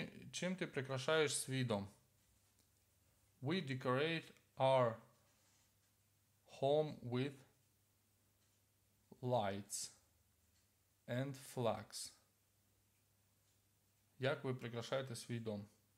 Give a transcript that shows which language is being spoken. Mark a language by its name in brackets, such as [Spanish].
[Ukrainian] Чим ти прикрашаєш свій дом? [English] We decorate our home with lights and flags. [Ukrainian] Як ви прикрашаєте свій дом?